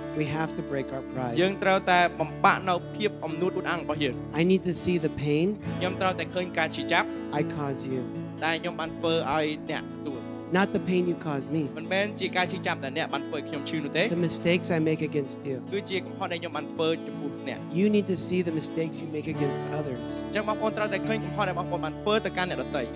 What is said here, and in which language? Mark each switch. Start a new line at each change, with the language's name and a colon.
English: We have to break our pride
Khmer: យើងត្រូវតែបំបាក់នូវភាពអំនួតអួតអាងរបស់យើង
English: I need to see the pain
Khmer: ខ្ញុំត្រូវតែឃើញការឈឺចាប់
English: I cause you
Khmer: តែខ្ញុំបានធ្វើឲ្យអ្នកទួ
English: Not the pain you caused me.
Khmer: មិនមែនជាការឈឺចាប់ដែលអ្នកបានធ្វើឲ្យខ្ញុំឈឺនោះទេ
English: The mistakes I make against you.
Khmer: គឺជាកំហុសដែលខ្ញុំបានធ្វើចំពោះអ្នក
English: You need to see the mistakes you make against others.
Khmer: ចាំបងប្អូនត្រូវតែឃើញកំហុសដែលបងប្អូនបានធ្វើទៅកាន់អ្នកដទៃ